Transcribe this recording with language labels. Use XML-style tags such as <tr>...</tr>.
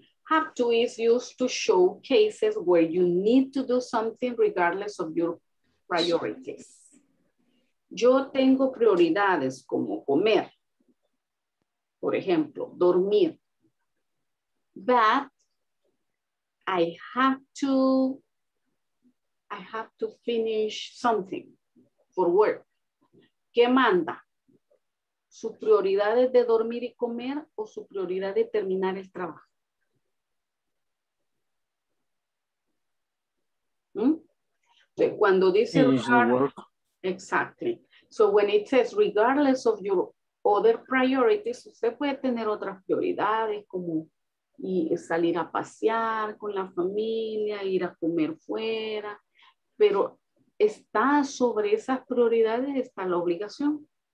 <en>Have to is used to show cases where you need to do something regardless of your priorities.</en> <es>Yo tengo prioridades como comer, por ejemplo, dormir.</es> <en>But I have to finish something for work.</en> <es>¿Qué manda? ¿Su prioridad es de dormir y comer o su prioridad de terminar el trabajo? Cuando dice exactly.</es> <en>So when it says regardless of your other priorities,</en> <es>usted puede tener otras prioridades como salir a pasear con la familia, ir a comer fuera, pero está sobre esas prioridades, está la obligación.</es>